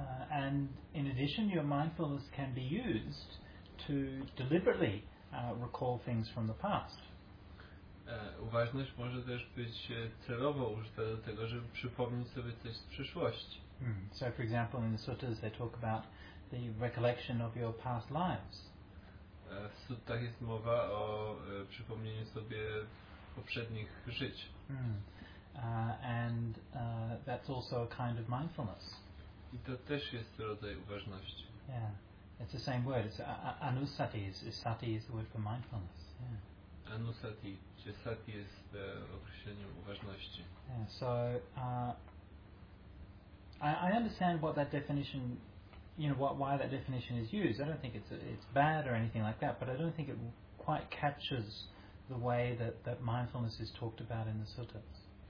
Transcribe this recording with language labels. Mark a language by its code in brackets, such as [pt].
[en] And in addition, your mindfulness can be used to deliberately recall things from the past. [pl] Uważność może też być celowo użyta do tego, żeby przypomnieć sobie coś z przeszłości. [en] So for example, in the suttas they talk about the recollection of your past lives. [pl] W suttach jest mowa o przypomnieniu sobie poprzednich żyć. [en] And that's also a kind of mindfulness. [pl] I to też jest rodzaj uważności. [en] Yeah, it's the same word. It's anusati. Sati is the word for mindfulness. Yeah. [pl] Anusati, czy sati jest określeniem uważności. [en] Yeah. So I understand what that definition, you know, why that definition is used. I don't think it's bad or anything like that, but I don't think it quite captures the way that mindfulness is talked about in the suttas.